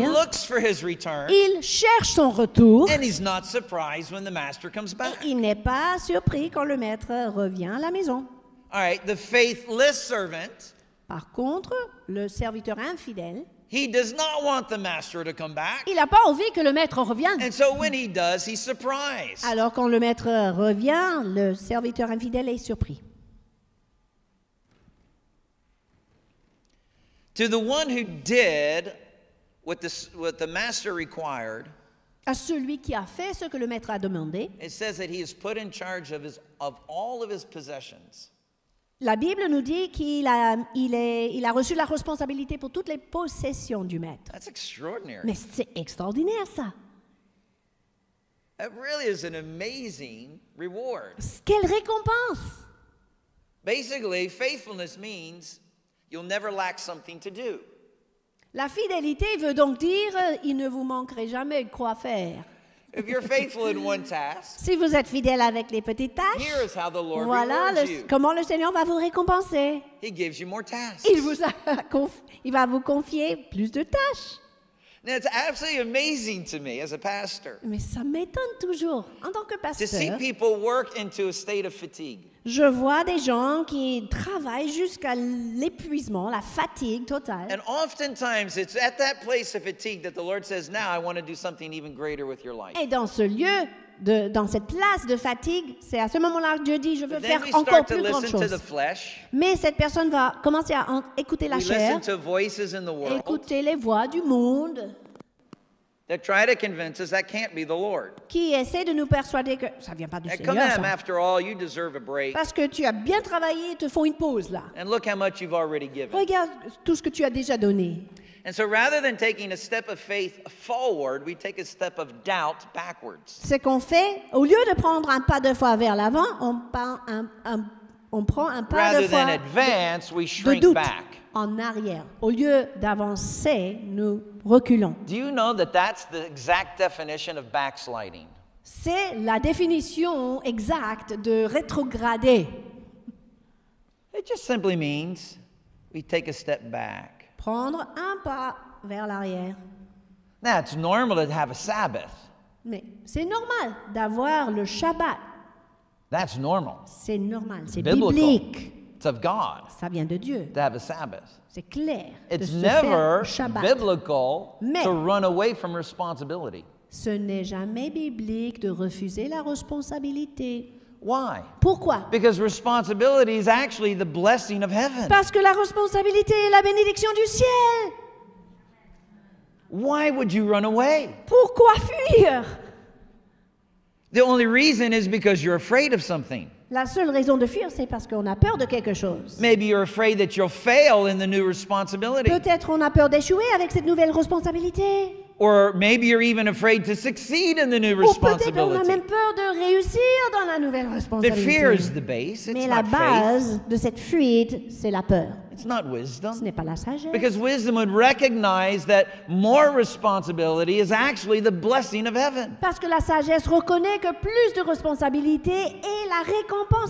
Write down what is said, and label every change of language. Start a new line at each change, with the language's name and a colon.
English: He looks for his return.
French: Il cherche son retour.
English: And he's not surprised when the master comes back.
French: Et il n'est pas surpris quand le maître revient à la maison.
English: All right, the faithless servant.
French: Par contre, le serviteur infidèle.
English: He does not want the master to come back.
French: Il n'a pas envie que le maître revienne.
English: And so when he does, he's surprised.
French: Alors quand le maître revient, le serviteur infidèle est surpris.
English: To the one who did what the master required.
French: À celui qui a fait ce que le maître a demandé.
English: It says that he is put in charge of all of his possessions.
French: La Bible nous dit qu'il a, il a reçu la responsabilité pour toutes les possessions du maître.
English: That's extraordinary.
French: Mais c'est extraordinaire, ça.
English: That really is an amazing reward.
French: Quelle récompense!
English: Basically, faithfulness means you'll never lack something to do.
French: La fidélité veut donc dire il ne vous manquerait jamais quoi faire.
English: If you're faithful in one task,
French: si vous êtes fidèle avec les petites tâches,
English: here is how the Lord
French: voilà
English: rewards you.
French: Comment le Seigneur va vous récompenser.
English: He gives you more tasks.
French: Il va vous confier plus de tâches.
English: Now it's absolutely amazing to me as a pastor.
French: Mais ça m'étonne toujours en tant que pasteur.
English: To see people work into a state of fatigue.
French: Je vois des gens qui travaillent jusqu'à l'épuisement, la fatigue totale.
English: And oftentimes it's at that place of fatigue that the Lord says, "Now I want to do something even greater with your life."
French: Et dans ce lieu de dans cette place de fatigue, c'est à ce moment-là que Dieu dit, "Je veux faire encore plus grande chose." Mais cette personne va commencer à écouter la chair.
English: Listen to voices in the world.
French: Écouter les voix du monde.
English: That try to convince us that can't be the Lord.
French: Qui essaie de nous persuader que ça vient pas du Seigneur.
English: Come on, after all, you deserve a break.
French: Parce que tu as bien travaillé, ils te font une pause là.
English: And look how much you've already given.
French: Regarde tout ce que tu as déjà donné.
English: And so, rather than taking a step of faith forward, we take a step of doubt backwards.
French: C'est qu'on fait au lieu de prendre un pas de foi vers l'avant, on prend un pas
English: rather
French: de foi.
English: Rather than advance, we shrink
French: de doute
English: back.
French: En arrière. Au lieu d'avancer, nous reculons.
English: Do you know that that's the exact definition of backsliding?
French: C'est la définition exacte de rétrograder.
English: It just simply means we take a step back.
French: Prendre un pas vers l'arrière.
English: Now, it's normal to have a Sabbath.
French: Mais c'est normal d'avoir le Shabbat.
English: That's normal.
French: C'est normal, c'est biblique.
English: Of God.
French: Ça vient de Dieu.
English: To have a Sabbath.
French: C'est clair.
English: It's never biblical to run away from responsibility.
French: Ce n'est jamais biblique de refuser la responsabilité.
English: Why?
French: Pourquoi?
English: Because responsibility is actually the blessing of heaven.
French: Parce que la responsabilité est la bénédiction du ciel.
English: Why would you run away?
French: Pourquoi fuir?
English: The only reason is because you're afraid of something.
French: La seule raison de fuir, c'est parce qu'on a peur de quelque chose.
English: Maybe you're afraid that you'll fail in the new responsibility.
French: Peut-être on a peur d'échouer avec cette nouvelle responsabilité.
English: Or maybe you're even afraid to succeed in the new responsibility.
French: Ou peut-être on a même peur de réussir dans la nouvelle responsabilité.
English: The fear is the base. It's
French: Mais
English: not
French: la base
English: faith.
French: De cette fuite, c'est la peur.
English: It's not wisdom.
French: Ce n'est pas la sagesse.
English: Because wisdom would recognize that more responsibility is actually the blessing of heaven.
French: Parce que la sagesse reconnaît que plus de responsabilité est la récompense.